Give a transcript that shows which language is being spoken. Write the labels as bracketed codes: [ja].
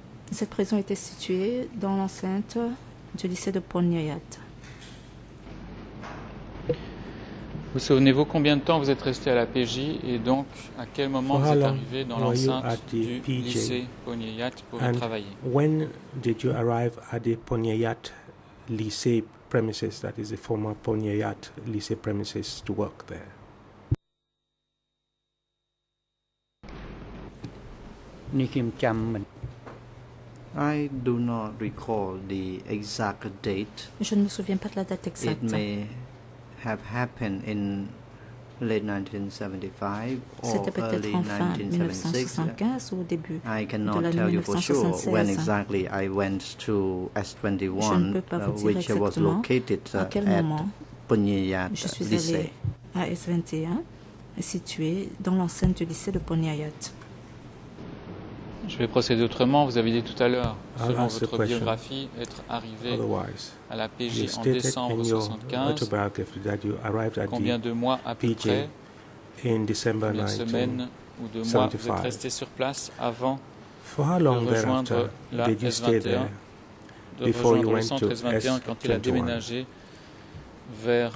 [fr] Cette prison était située dans l'enceinte du lycée de Pogna-Yates. Vous souvenez-vous combien de temps vous êtes resté à la PJ et donc à quel moment vous êtes arrivé dans l'enceinte du PJ lycée Pogna-Yates pour [en] and [fr] travailler? [en] When did you arrive at the Pogna-Yates lycée premises, that is the former Pogna-Yates lycée premises, to work there? I do not recall the exact date. [fr] Je ne me souviens pas de la date exacte. [en] It may have happened in late 1975 or early 1976. I cannot tell you for sure when exactly I went to S21, which was located at Pogna-Yates lycée. [fr] À S21, situé dans l'enceinte du lycée de Pogna-Yates. Je vais procéder autrement. Vous avez dit tout à l'heure, selon votre biographie, être arrivé à la PJ en décembre 1975. Combien de mois à peu près, une semaine ou deux mois, vous êtes resté sur place avant de rejoindre la S21, de rejoindre le centre S21 quand il a déménagé vers